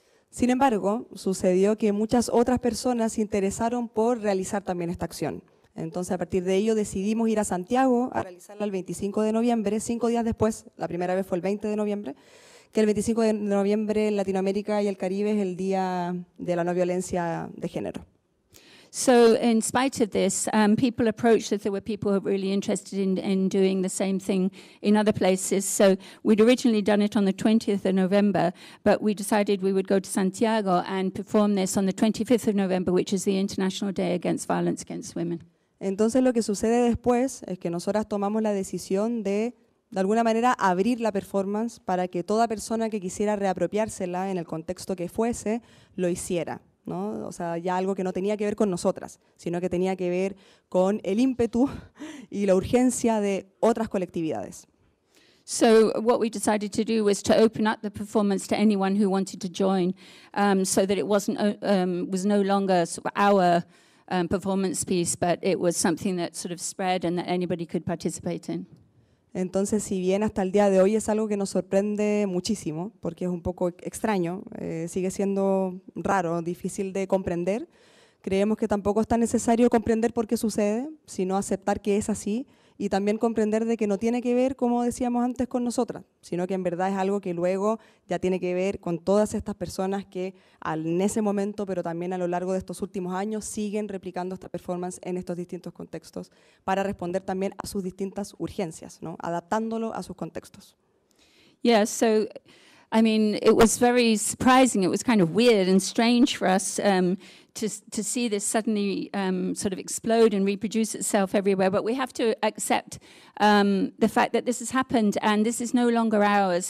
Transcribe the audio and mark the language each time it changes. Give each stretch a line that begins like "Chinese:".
Spanish: Sin embargo, sucedió que muchas otras personas se interesaron por realizar también esta acción. Entonces, a partir de ello, decidimos ir a Santiago a realizarla el 25 de noviembre, cinco días después, la primera vez fue el 20 de noviembre, que el 25 de noviembre en Latinoamérica y el Caribe es el día de la no violencia de género.
English: So, in spite of this, people approached that there were people who were really interested in doing the same thing in other places. So, we'd originally done it on the 20th of November, but we decided we would go to Santiago and perform this on the 25th of November, which is the International Day Against Violence Against Women.
Spanish: Entonces, lo que sucede después es que nosotras tomamos la decisión de alguna manera, abrir la performance para que toda persona que quisiera reapropiársela en el contexto que fuese, lo hiciera, ¿no? O sea, ya algo que no tenía que ver con nosotras, sino que tenía que ver con el ímpetu y la urgencia de otras colectividades.
English: So what we decided to do was to open up the performance to anyone who wanted to join, so that it wasn't was no longer our performance piece, but it was something that sort of spread and that anybody could participate in.
Spanish: Entonces, si bien hasta el día de hoy es algo que nos sorprende muchísimo, porque es un poco extraño, sigue siendo raro, difícil de comprender, creemos que tampoco es tan necesario comprender por qué sucede, sino aceptar que es así, y también comprender de que no tiene que ver, como decíamos antes, con nosotras, sino que en verdad es algo que luego ya tiene que ver con todas estas personas que en ese momento, pero también a lo largo de estos últimos años, siguen replicando esta performance en estos distintos contextos para responder también a sus distintas urgencias, ¿no? Adaptándolo a sus contextos.
English: Yeah, so, I mean, it was very surprising, it was kind of weird and strange for us to see this suddenly sort of explode and reproduce itself everywhere. But we have to accept the fact that this has happened and this is no longer ours.